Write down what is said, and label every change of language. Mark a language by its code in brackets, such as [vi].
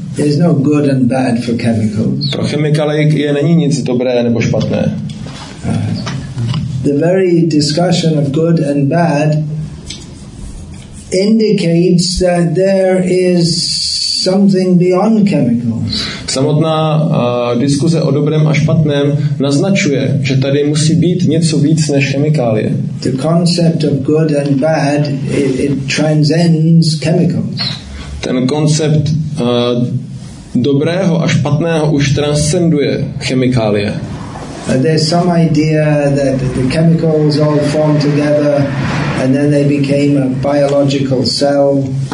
[en] There's no good and bad for chemicals. [cs] Pro chemikálie je není nic dobré nebo špatné. [en] The very discussion of good and bad indicates that there is something beyond chemicals. [cs] Samotná diskuze o dobrém a špatném naznačuje, že tady musí být něco víc než chemikálie. [en] The concept of good and bad, it transcends chemicals. [cs] Ten koncept dobrého a špatného už transcenduje chemikálie. [en] There's some idea that the chemicals all formed together and then they became a biological cell.